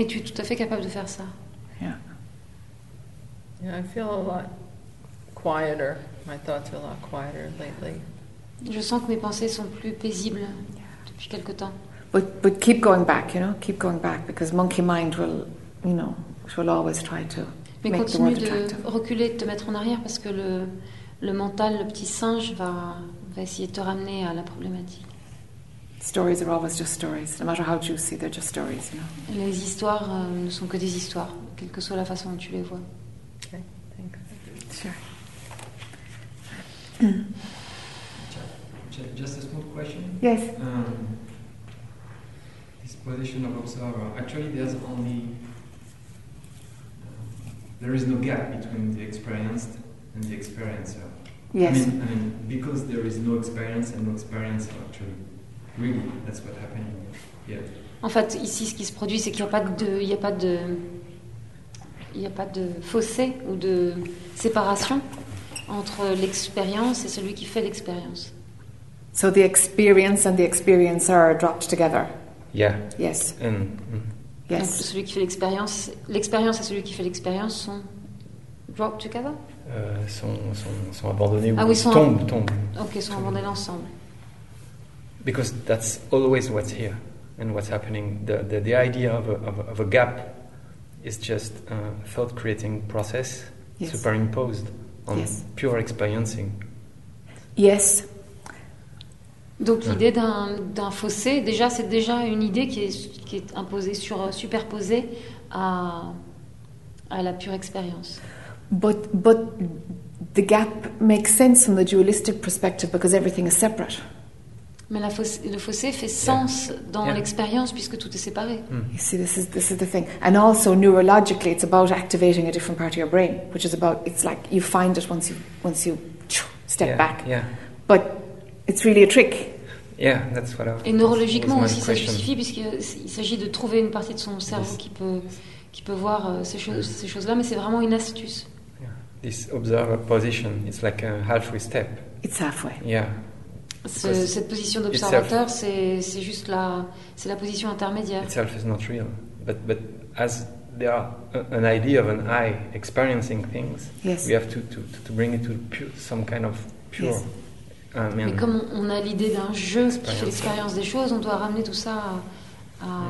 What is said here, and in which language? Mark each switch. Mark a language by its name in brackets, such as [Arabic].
[French] Et tu es tout à fait capable de faire ça. [English] Yeah. Yeah, I feel a lot quieter. My thoughts are a lot quieter lately. [French] Je sens que mes pensées sont plus paisibles depuis quelque temps. [English] But keep going back, you know. Keep going back because monkey mind will, you know, it will always try to. [French] Mais continue de reculer, de te mettre en arrière parce que le mental, le petit singe va essayer de te ramener à la problématique. [English] Stories are always just stories. No matter how juicy, they're just stories, you know. [French] Les histoires ne sont que des histoires, quelle que soit la façon dont tu les vois. [English] Okay, thanks. Sure. Just a small question. Yes. This position of observer, actually there's only... there is no gap between the experienced and the experiencer. Yes. I mean, because there is no experience and no experience actually, really, that's what happened. Yeah. [French] En fait, ici, ce qui se produit, c'est qu'il n'y a pas de fossé ou de séparation entre l'expérience et celui qui fait l'expérience. [English] So the experience and the experiencer are dropped together. Yeah. Yes. And yes. [French] Donc, celui qui fait l'expérience et celui qui fait l'expérience sont [English] dropped together. [French] Sont abandonnés ou sont abandonnés ensemble. [English] Because that's always what's here and what's happening. The idea of a gap is just a thought creating process, yes, superimposed on, yes, pure experiencing. Yes. [French] Donc l'idée d'un fossé, déjà c'est déjà une idée qui est imposée sur superposée à la pure expérience. [English] But the gap makes sense from the dualistic perspective because everything is separate. [French] Mais le fossé fait sens, yeah, dans, yeah, l'expérience puisque tout est séparé. [English] Mm. You see, this is the thing. And also neurologically, it's about activating a different part of your brain, which is about, it's like you find it once you step, yeah, back. Yeah. But it's really a trick. Yeah, that's what I was. [French] Et neurologiquement aussi, ça justifie puisqu'il s'agit de trouver une partie de son cerveau qui peut voir ces choses-là, mais c'est vraiment une astuce. [English] Yeah. This observer position, it's like a halfway step. It's halfway. Yeah. [French] Cette position d'observateur, c'est juste la position intermédiaire. [English] Itself is not real. But as there are an idea of an I experiencing things, yes, we have to bring it to pure, some kind of pure... Yes. [French] Mais comme on a l'idée d'un jeu qui fait l'expérience des choses, on doit ramener tout ça à...